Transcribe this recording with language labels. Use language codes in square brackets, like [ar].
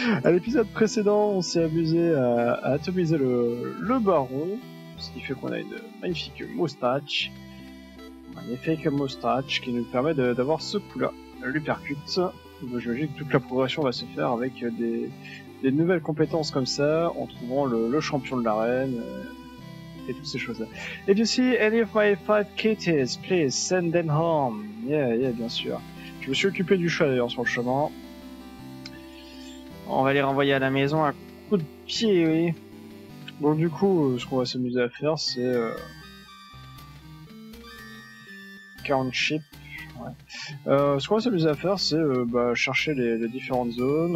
[fr] À l'épisode précédent, on s'est amusé à atomiser le baron, ce qui fait qu'on a une magnifique moustache. Magnifique moustache qui nous permet d'avoir ce coup-là, l'uppercute. J'imagine que toute la progression va se faire avec des nouvelles compétences comme ça, en trouvant le champion de l'arène. Et toutes ces choses-là. [en] If you see any of my 5 kitties, please send them home. [fr] Yeah, bien sûr. Je me suis occupé du chat d'ailleurs sur le chemin. On va les renvoyer à la maison à coup de pied, oui. Bon, du coup, ce qu'on va s'amuser à faire, c'est. Countship. Ouais. Ce qu'on va s'amuser à faire, c'est chercher les différentes zones.